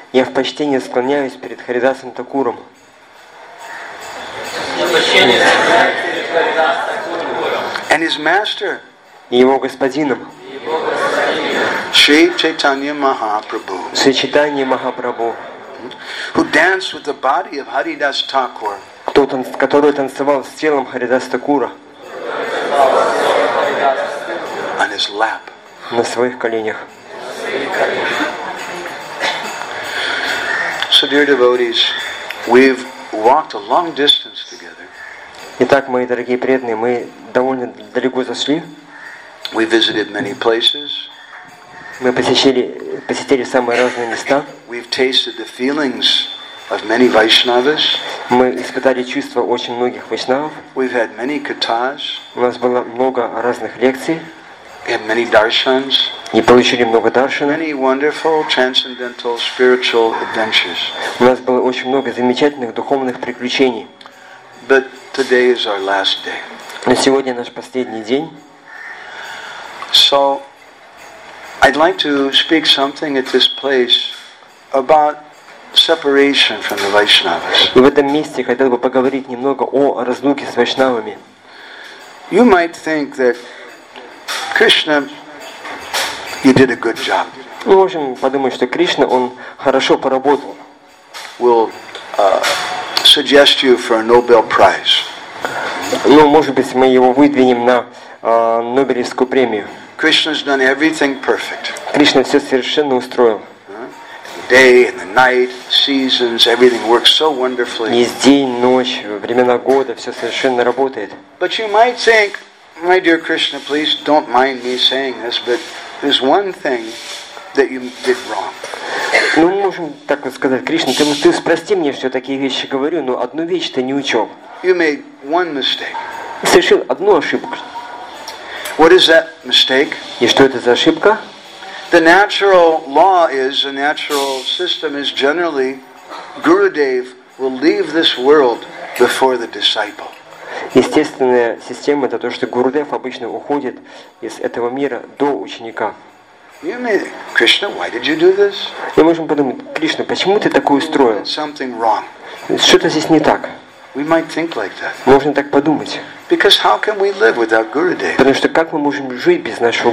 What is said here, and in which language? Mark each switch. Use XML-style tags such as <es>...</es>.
<ru>Я в почтении склоняюсь перед Харидасом Такуром.</ru> <en>And his master.</en> <ru>И его господином. Шри Чайтанья Махапрабху. Шри Чайтанья Махапрабху.</ru> <en>Who danced with the body of Haridas Thakur.</en> <ru>Который танцевал с телом Харидаса Такура.</ru> <en>On his lap.</en> <ru>На своих коленях.</ru> <en>So, dear devotees, we've walked a long distance together.</en> <ru>Итак, мои дорогие преданные, мы довольно далеко зашли.</ru> <en>We visited many places.</en> <ru>Мы посетили самые разные места.</ru> <en>We've tasted the feelings of many Vaishnavas.</en> <ru>Мы испытали чувства очень многих Вайшнавов.</ru> <en>We've had many катхас.</en> <ru>У нас было много разных лекций.</ru> <en>And many darshans.</en> <ru>И получили много даршан.</ru> <en>Many wonderful transcendental spiritual adventures.</en> <ru>У нас было очень много замечательных духовных приключений.</ru> <en>But today is our last day.</en> <ru>Но сегодня наш последний день.</ru> <en>So, I'd like to speak something at this place about separation from the Vaishnavas.</en> <ru>И в этом месте хотел бы поговорить немного о разлуке с Вайшнавами.</ru> <en>You might think that Krishna, you did a good job.</en> <ru>Ну, в общем, подумаю, что Кришна, он хорошо поработал.</ru> <en>We'll suggest you for a Nobel Prize.</en> <ru>Ну, может быть, мы его выдвинем на Нобелевскую премию.</ru> <en>Krishna's done everything perfect.</en> <ru>Кришна все совершенно устроил.</ru> <en>Day and the night, seasons, everything works so wonderfully.</en> <ru>Есть день, ночь, времена года, все совершенно работает.</ru> <en>But you might think. My dear Krishna, please don't mind me saying this, but there's one thing that you did wrong.</en> <ru>Ну, можем так вот сказать, Кришна, ты прости мне, что я такие вещи говорю, но одну вещь ты не учел.</ru> <en>You made one mistake.</en> <ru>Совершил одну ошибку.</ru> <en>What is that mistake?</en> <ru>И что это за ошибка?</ru> <en>The natural law is, the natural system is generally, Gurudev will leave this world before the disciple.</en> <ru>Естественная система – это то, что Гурудев обычно уходит из этого мира до ученика. Мы можем подумать, Кришна, почему ты такое устроил? Что-то здесь не так. Можно так подумать. Потому что как мы можем жить без нашего</ru>